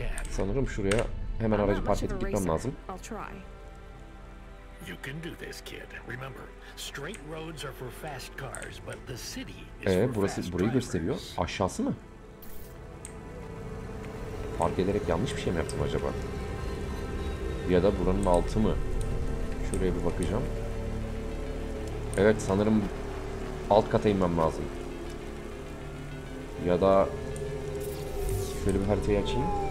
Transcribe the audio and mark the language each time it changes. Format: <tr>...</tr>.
<tr>Sanırım şuraya hemen aracı park edip gitmem lazım.</tr> <en>You can do this, kid. Remember, straight roads are for fast cars, but the city is.</en> <tr>Burası burayı gösteriyor. Aşağısı mı? Park ederek yanlış bir şey mi yaptım acaba? Ya da buranın altı mı? Şuraya bir bakacağım. Evet, sanırım alt kata inmem lazım. Ya da şöyle bir haritayı açayım.</tr>